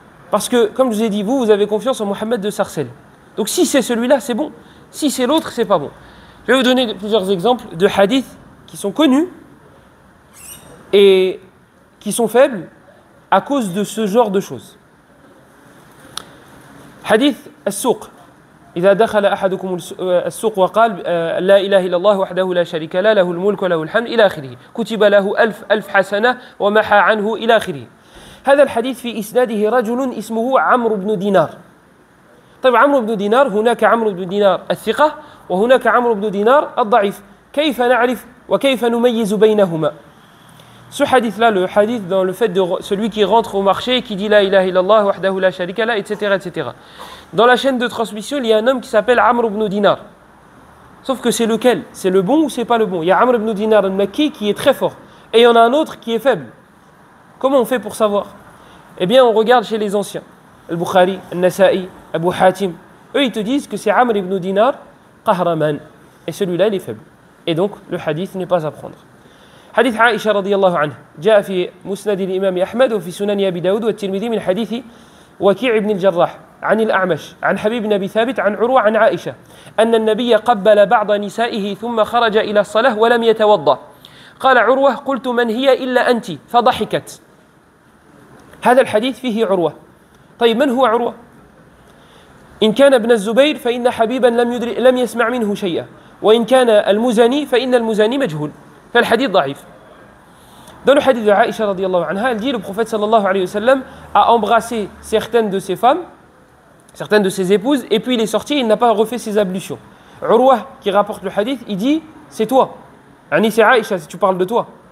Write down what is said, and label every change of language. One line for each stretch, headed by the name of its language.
French: Parce que, comme je vous ai dit, vous avez confiance en Mohamed de Sarcelles. Donc si c'est celui-là, c'est bon. Si c'est l'autre, c'est pas bon. Je vais vous donner plusieurs exemples de hadiths qui sont connus et qui sont faibles à cause de ce genre de choses.
Arabic: Hadith al-souq. إذا دخل أحدكم السوق وقال لا إله إلا الله وحده لا شريك له له الملك وله الحمد إلى آخره كتب له ألف ألف حسنة ومحى عنه إلى آخره. هذا الحديث في إسناده رجل اسمه عمرو بن دينار. طيب عمرو بن دينار، هناك عمرو بن دينار الثقة وهناك عمرو بن دينار الضعيف، كيف نعرف وكيف نميز بينهما؟
French: Ce hadith-là, le hadith dans le fait de celui qui rentre au marché et qui dit «
Arabic: La ilaha illallah, wahdahu la sharika la
French: », etc., etc. Dans la chaîne de transmission, il y a un homme qui s'appelle Amr ibn Dinar. Sauf que c'est lequel ? C'est le bon ou c'est pas le bon ? Il y a Amr ibn Dinar al-Makki qui est très fort. Et il y en a un autre qui est faible. Comment on fait pour savoir ? Eh bien, on regarde chez les anciens. Al-Bukhari, al-Nasa'i, Abu Hatim. Eux, ils te disent que c'est Amr ibn Dinar, qahraman. Et celui-là, il est faible. Et donc, le hadith n'est pas à prendre.
Arabic: حديث عائشة رضي الله عنه جاء في مسند الإمام أحمد وفي سنن أبي داود والترمذي من حديث وكيع بن الجراح عن الأعمش عن حبيب بن أبي ثابت عن عروة عن عائشة أن النبي قبل بعض نسائه ثم خرج إلى الصلاة ولم يتوضأ. قال عروة قلت من هي إلا أنت فضحكت. هذا الحديث فيه عروة. طيب من هو عروة؟ إن كان ابن الزبير فإن حبيبا لم يسمع منه شيئا، وإن كان المزني فإن المزني مجهول. فالحديث ضعيف.
French: Dans le hadith de Aïcha radiallahu anha, elle dit le prophète sallallahu alayhi wa sallam a embrassé certaines de ses femmes, certaines de ses épouses, et puis il est sorti, il n'a pas refait ses ablutions. Urwa, qui rapporte le hadith, il dit c'est toi. Ani, c'est Aïcha, tu parles de toi.